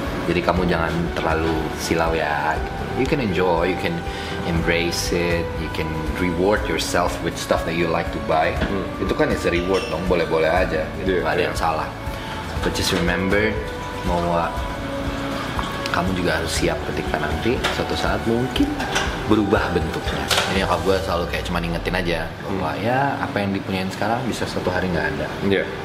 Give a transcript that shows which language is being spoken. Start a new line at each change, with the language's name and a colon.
Indonesian: Jadi kamu jangan terlalu silau ya.
English: You can enjoy, you can embrace it, you can reward yourself with stuff that you like to buy.
Indonesian: Itu kan
English: is a reward
Indonesian: dong, boleh-boleh aja. Gitu.
English: Yeah,
Indonesian: gak ada yang salah.
English: But just remember,
Indonesian: bahwa kamu juga harus siap ketika nanti suatu saat mungkin berubah bentuknya. Ini nyokap gue selalu kayak cuma ingetin aja bahwa ya apa yang dipunyain sekarang bisa suatu hari gak ada.
English: Yeah.